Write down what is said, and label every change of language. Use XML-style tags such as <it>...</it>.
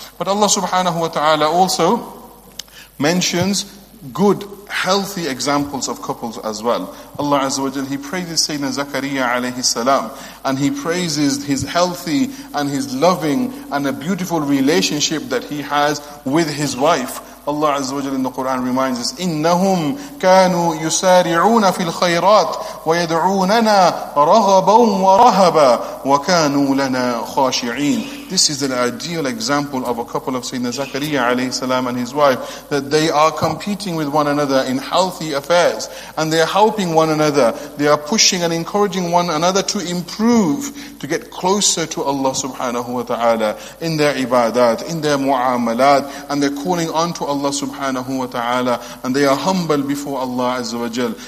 <en>But Allah subhanahu wa ta'ala also mentions good, healthy examples of couples as well. Allah Azza wa Jal, He praises Sayyidina Zakariya alayhi salam, and He praises his healthy and his loving and a beautiful relationship that he has with his wife. Allah Azza wa Jal in the Quran reminds us,</en> <ar>إِنَّهُمْ كَانُوا يُسَارِعُونَ فِي الْخَيْرَاتِ وَيَدْعُونَنَا رَغَبًا وَرَهَبًا وَكَانُوا لَنَا خَاشِعِينَ.</ar> <en>This is an ideal example of a couple of Sayyidina Zakariya alayhi salam and his wife, that they are competing with one another in healthy affairs, and they are helping one another, they are pushing and encouraging one another to improve, to get closer to Allah subhanahu wa ta'ala in their ibadat, in their mu'amalat, and they're calling on to Allah subhanahu wa ta'ala, and they are humble before Allah azza wa jal.</en>